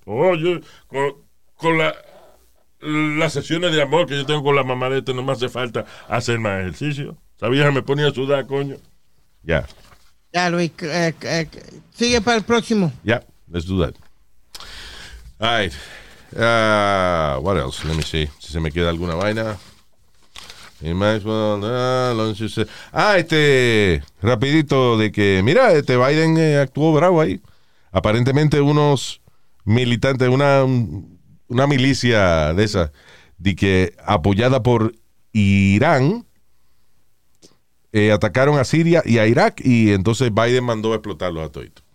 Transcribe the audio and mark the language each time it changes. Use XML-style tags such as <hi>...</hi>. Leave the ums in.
<es>Oh, yo, con, con la, las sesiones de amor que yo tengo con la mamá de este, no me hace falta hacer más ejercicio. Esa vieja me ponía a sudar, coño. Ya, Ya, Luis, eh, eh, sigue para el próximo.</es> <en>ya, let's do that. All right. Uh, what else? Let me see.</en> <es>Si se me queda alguna vaina.</es> <en>You might as well, uh, launch yourself.</en> <es>Ah, este, rapidito de que, mira, este Biden eh, actuó bravo ahí. Aparentemente unos militantes, una, una milicia de esa, de que apoyada por Irán, eh, atacaron a Siria y a Irak y entonces Biden mandó a explotarlos a todos.</es>